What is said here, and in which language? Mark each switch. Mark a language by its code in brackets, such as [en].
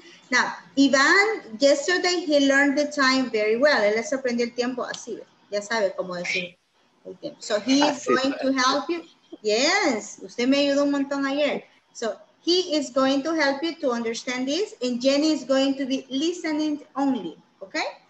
[en] Now, Ivan, yesterday he learned the time very well. [es] Él les aprendió el tiempo así, ya sabe cómo decir el tiempo. [en] So he is going to help you. Yes, [es] usted me ayudó un montón ayer. [en] So he is going to help you to understand this, and Jenny is going to be listening only, okay?